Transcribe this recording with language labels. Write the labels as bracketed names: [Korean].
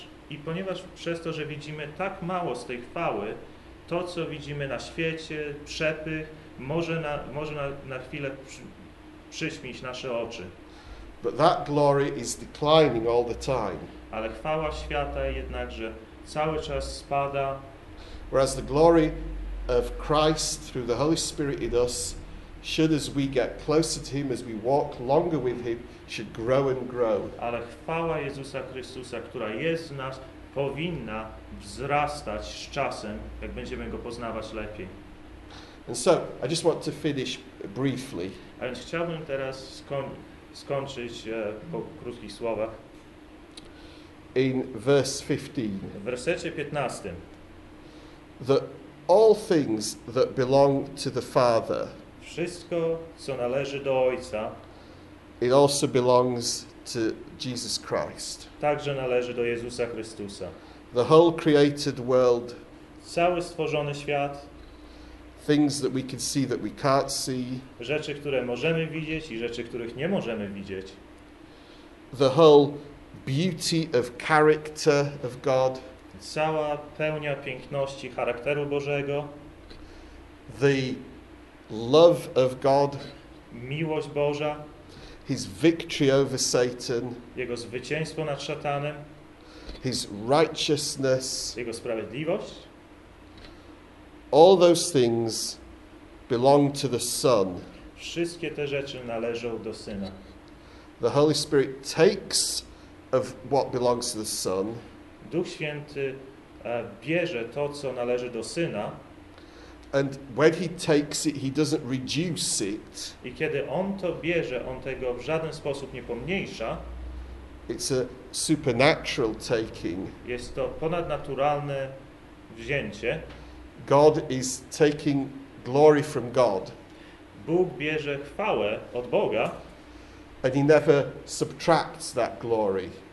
[Polish] I ponieważ przez to, że widzimy tak mało z tej chwały, to co widzimy na świecie, przepych, może na chwilę przyśmić nasze oczy. [English] But that glory is declining all the time. [Polish] Ale chwała świata jednakże cały czas spada. [English] Whereas the glory of Christ through the Holy Spirit in us should as we get closer to him, as we walk longer with him, should grow and grow. [Polish] Ale chwała Jezusa Chrystusa, która jest w nas, powinna wzrastać z czasem, jak będziemy go poznawać lepiej. [English] And so, I just want to finish briefly. [Polish] A więc chciałbym teraz skończyć po krótkich słowach. [English] In verse 15. [Polish] W wersecie 15. [English] That all things that belong to the Father. [Polish] Wszystko, co należy do Ojca. [English] It also belongs to Jesus Christ. [Polish] Także należy do Jezusa Chrystusa. [English] The whole created world. [Polish] Cały stworzony świat. [English] Things that we can see that we can't see. [Polish] Rzeczy, które możemy widzieć i rzeczy, których nie możemy widzieć. [English] The whole beauty of character of God. [Polish] Cała pełnia piękności charakteru Bożego. [English] The love of God. [Polish] Miłość Boża. [English] His victory over Satan. [Polish] Jego zwycięstwo nad szatanem. [English] His righteousness. [Polish] Jego sprawiedliwość. [English] All those things belong to the Son. [Polish] Wszystkie te rzeczy należą do Syna. [English] The Holy Spirit takes of what belongs to the Son. [Polish] Duch Święty bierze to, co należy do Syna. [English] And when he takes it, he doesn't reduce it. [Polish] I kiedy on to bierze, on tego w żaden sposób nie pomniejsza. [English] It's a supernatural taking. [Polish] Jest to ponadnaturalne wzięcie. [English] God is taking glory from God. [Polish] Bóg bierze chwałę od Boga. [English] And he never subtracts that glory.